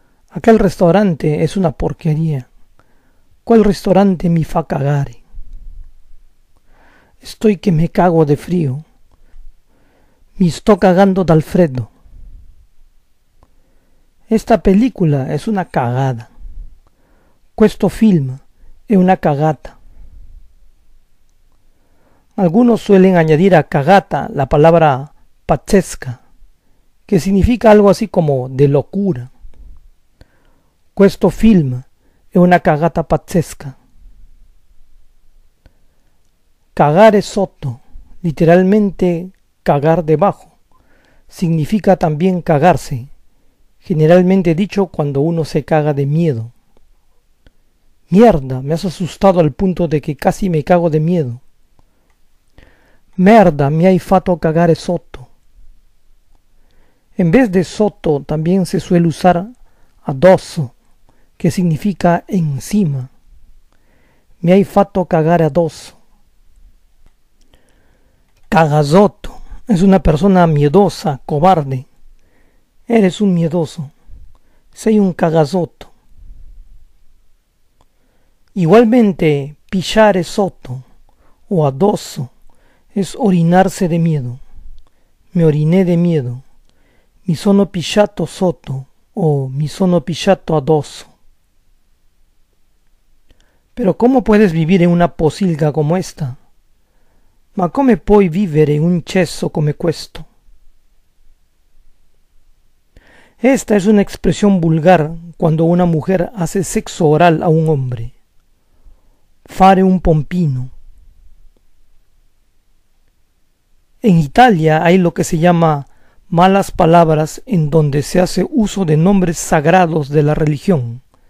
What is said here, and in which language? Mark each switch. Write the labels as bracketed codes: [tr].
[es] Aquel restaurante es una porquería. ¿Cuál restaurante [it] mi fa cagare? [es] Estoy que me cago de frío. Me estoy cagando de Alfredo. Esta película es una cagada. [it] Questo film è una cagata. [es] Algunos suelen añadir a cagata la palabra pazzesca, que significa algo así como de locura. [it] Questo film è una cagata pazzesca. [es] Cagare sotto, literalmente cagar debajo, significa también cagarse, generalmente dicho cuando uno se caga de miedo. Mierda, me has asustado al punto de que casi me cago de miedo. [it] Merda, mi hai fatto cagare sotto. [es] En vez de sotto, también se suele usar addosso, que significa encima. [it] Mi hai fatto cagare addosso. [es] Cagazotto es una persona miedosa, cobarde. Eres un miedoso. [it] Sei un cagazotto. [es] Igualmente, pisciare sotto o addosso es orinarse de miedo. Me oriné de miedo. [it] Mi sono pisciato sotto o mi sono pisciato addosso. [es] Pero ¿cómo puedes vivir en una posilga como esta? [it] Ma come puoi vivere in un cesso come questo? [es] Esta es una expresión vulgar cuando una mujer hace sexo oral a un hombre. [it] Fare un pompino. [es] En Italia hay lo que se llama malas palabras en donde se hace uso de nombres sagrados de la religión.